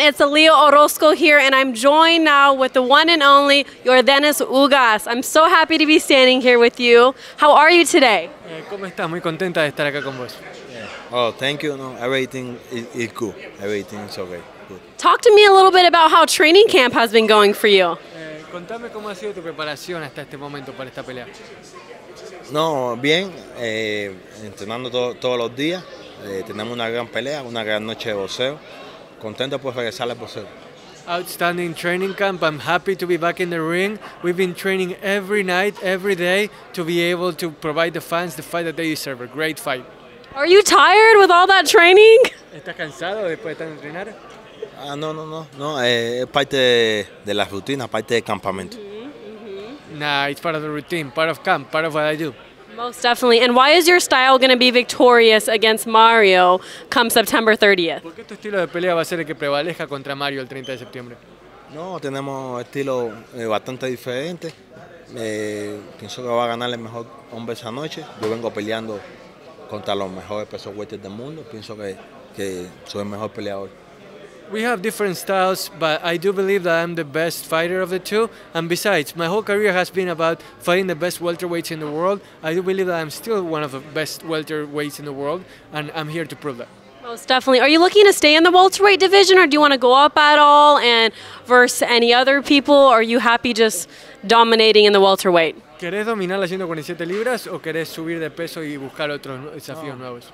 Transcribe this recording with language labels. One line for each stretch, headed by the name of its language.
English: It's Aaliyah Orozco here, and I'm joined now with the one and only Yordenis Ugas. I'm so happy to be standing here with you. How are you today?
Spanish: ¿Cómo estás? Muy contenta de estar acá con vos.
English: Oh, thank you. No, everything is cool. Everything is okay. Good. Talk to me a little bit about how training camp has been going for you.
Spanish: Contame cómo ha sido tu preparación hasta este momento para esta pelea. No, bien. Entrenando todos los días. Tenemos una gran pelea, una gran noche de boxeo. Contento por regresar al boxeo.
English: Outstanding training camp. I'm happy to be back in the ring. We've been training every night, every day, to be able to provide the fans the fight that they deserve. A great fight. Are you tired with all that training?
Spanish: ¿Estás cansado después de tanto entrenar? No. Es parte de la rutina, parte del campamento.
English: Nah, it's part of the routine, part of camp, part of what I do. Most definitely. And why is your style going to be victorious against Mario come September 30th?
Spanish: ¿Por qué tu estilo de pelea va a ser el que prevalezca contra Mario el 30 de septiembre? No, tenemos estilo bastante diferente. Pienso que va a ganar el mejor hombre esa noche. Yo vengo peleando contra los mejores pesos welter del mundo. Pienso que soy el mejor peleador.
English: We have different styles, but I do believe that I'm the best fighter of the two. And besides, my whole career has been about fighting the best welterweights in the world. I do believe that I'm still one of the best welterweights in the world, and I'm here to prove that. Most definitely. Are you looking to stay in the welterweight division, or do you want to go up at all and versus any other people? Or are you happy just dominating in the welterweight?
Spanish: ¿Quieres dominar las 147 libras o quieres subir de peso y buscar otros desafíos nuevos?